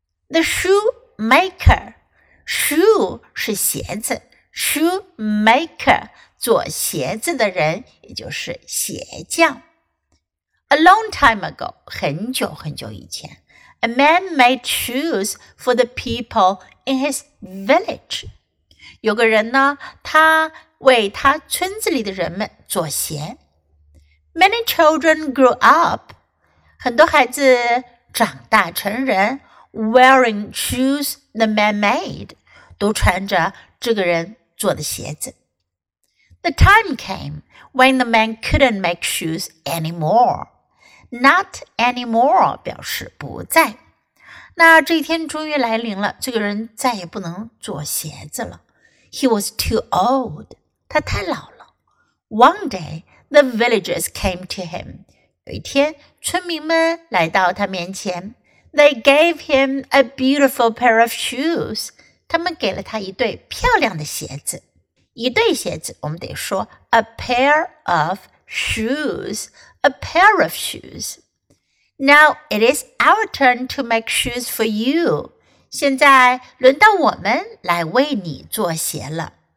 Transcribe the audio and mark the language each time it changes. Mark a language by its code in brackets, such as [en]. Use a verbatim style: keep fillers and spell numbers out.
[en] The shoemaker. Shoe [zh] 是鞋子。 Shoemaker, 做鞋子的人，也就是鞋匠。 [en] A long time ago, [zh] 很久很久以前 [en] a man made shoes for the people in his village. [zh] 有个人呢，他为他村子里的人们做鞋。 [en] Many children grew up. [zh] 很多孩子长大成人 [en] wearing shoes the man made. [zh] 都穿着这个人做的鞋子。 [en] The time came when the man couldn't make shoes anymore. Not anymore [zh] 表示不再。那这一天终于来临了，这个人再也不能做鞋子了。 [en] He was too old. [zh] 他太老了。 [en] One day, the villagers came to him. [zh] 有一天，村民们来到他面前。 [en] They gave him a beautiful pair of shoes. [zh] 他们给了他一对漂亮的鞋子。一对鞋子我们得说 [en] a pair of shoes, a pair of shoes. Now it is our turn to make shoes for you. [zh] 现在轮到我们来为你做鞋了。